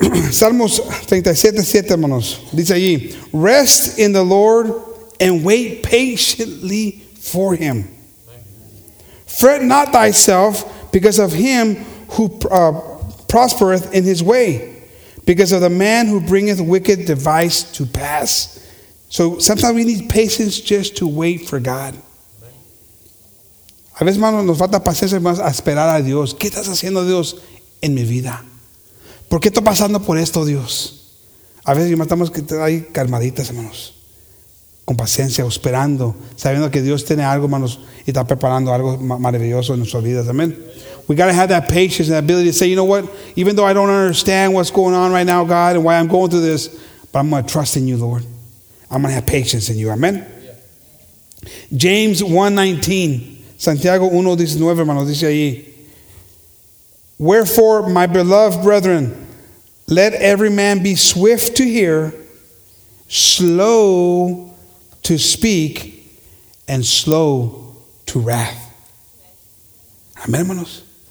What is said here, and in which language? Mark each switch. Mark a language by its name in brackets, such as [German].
[Spanish] Salmos 37:7, hermanos. Dice allí, [English] rest in the Lord and wait patiently for him. Fret not thyself because of him who prospereth in his way, because of the man who bringeth wicked device to pass. So sometimes we need patience just to wait for God. [Spanish] A veces, hermanos, nos falta paciencia más a esperar a Dios. ¿Qué estás haciendo, Dios, en mi vida? ¿Por qué estoy pasando por esto, Dios? A veces, hermanos, estamos ahí calmaditas, hermanos, con paciencia, esperando, sabiendo que Dios tiene algo, hermanos, y está preparando algo maravilloso en nuestras vidas. Amén. [English] We got to have that patience and that ability to say, you know what? Even though I don't understand what's going on right now, God, and why I'm going through this, but I'm going to trust in you, Lord. I'm going to have patience in you. Amen. James 1:19. [Spanish] Santiago 1:19, hermanos, dice allí. [English] Wherefore, my beloved brethren, let every man be swift to hear, slow to speak, and slow to wrath. Amen, hermanos.